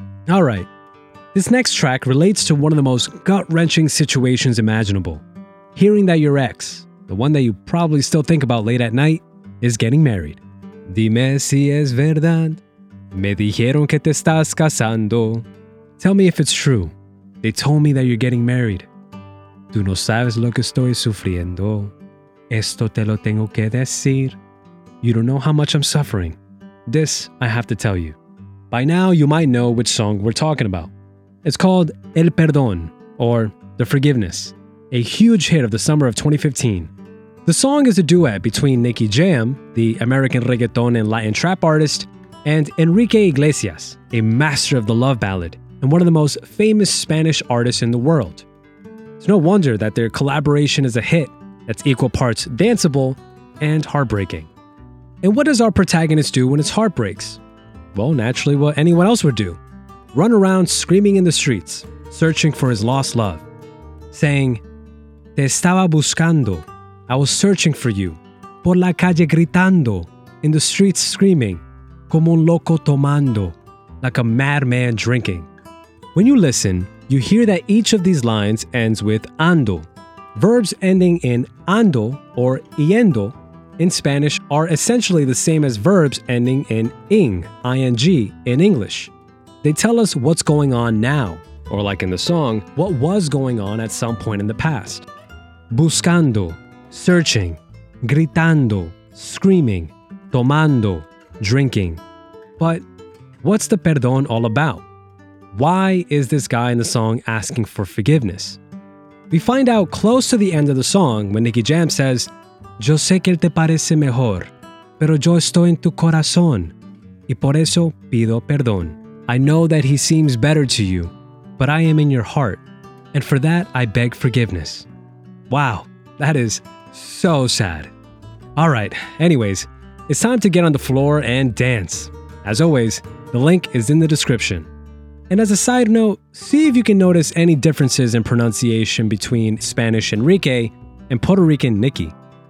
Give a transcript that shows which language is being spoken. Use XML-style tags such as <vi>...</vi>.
<en>Alright, this next track relates to one of the most gut-wrenching situations imaginable. Hearing that your ex, the one that you probably still think about late at night, is getting married.</en> <es>Dime si es verdad. Me dijeron que te estás casando.</es> <en>Tell me if it's true. They told me that you're getting married.</en> <es>Tú no sabes lo que estoy sufriendo. Esto te lo tengo que decir.</es> <en>You don't know how much I'm suffering. This I have to tell you. By now, you might know which song we're talking about. It's called El Perdón, or The Forgiveness, a huge hit of the summer of 2015. The song is a duet between Nicky Jam, the American reggaeton and Latin trap artist, and Enrique Iglesias, a master of the love ballad and one of the most famous Spanish artists in the world. It's no wonder that their collaboration is a hit that's equal parts danceable and heartbreaking. And what does our protagonist do when his heart breaks? Well, naturally, what anyone else would do. Run around screaming in the streets, searching for his lost love. Saying,</en> <es>Te estaba buscando.</es> <en>I was searching for you.</en> <es>Por la calle gritando.</es> <en>In the streets screaming.</en> <es>Como un loco tomando.</es> <en>Like a madman drinking. When you listen, you hear that each of these lines ends with ando. Verbs ending in ando or yendo in Spanish are essentially the same as verbs ending in ing, ing, in English. They tell us what's going on now, or like in the song, what was going on at some point in the past. Buscando, searching, gritando, screaming, tomando, drinking. But what's the perdón all about? Why is this guy in the song asking for forgiveness? We find out close to the end of the song when Nicky Jam says,</en> <es>Yo sé que él te parece mejor, pero yo estoy en tu corazón, y por eso pido perdón.</es> <en>I know that he seems better to you, but I am in your heart, and for that I beg forgiveness. Wow, that is so sad. Alright, anyways, it's time to get on the floor and dance. As always, the link is in the description. And as a side note, see if you can notice any differences in pronunciation between Spanish Enrique and Puerto Rican Nicky.</en>